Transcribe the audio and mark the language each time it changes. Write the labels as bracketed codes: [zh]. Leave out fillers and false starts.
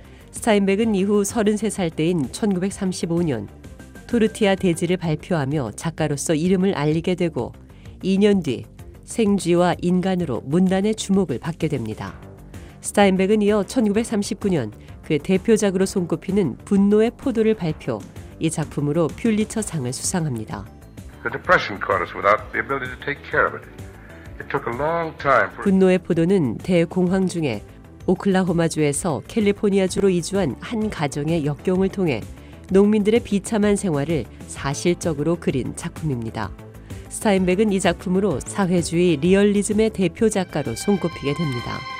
[ko] 스타인백은 이후 33살 때인 1935년 토르티아 대지를 발표하며 작가로서 이름을 알리게 되고 2년 뒤 생쥐와 인간으로 문단의 주목을 받게 됩니다. 스타인백은 이어 1939년 그의 대표작으로 손꼽히는 분노의 포도를 발표 이 작품으로 퓰리처상을 수상합니다. [en] The depression caught us without the ability to take care of it. It took a long time for... [ko] 분노의 포도는 대공황 중에 오클라호마주에서 캘리포니아주로 이주한 한 가정의 역경을 통해 농민들의 비참한 생활을 사실적으로 그린 작품입니다. 스타인백은 이 작품으로 사회주의 리얼리즘의 대표 작가로 손꼽히게 됩니다.